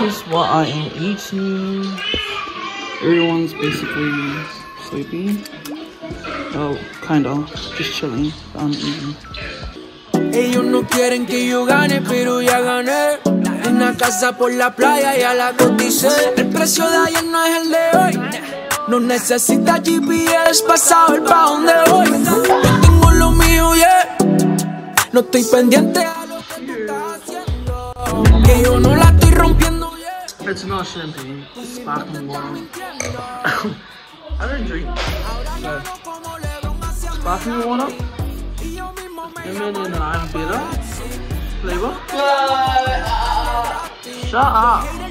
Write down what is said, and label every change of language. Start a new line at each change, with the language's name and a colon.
English: What I am eating. Everyone's basically sleeping. Well, kind of. Just chilling. I'm eating.
Spanish: Ellos no quieren que yo gane, pero ya gané. En la casa por la playa ya la cotice. El precio de ayer no es el de hoy. No necesita GPS para saber pa' donde voy. Yo tengo lo mío, yeah. No estoy pendiente a lo que tú estás haciendo. Que yo no la estoy rompiendo.
English: It's not champagne, it's sparkling water. I don't drink, so sparkling water, lemon and lime bitter flavor. Shut up,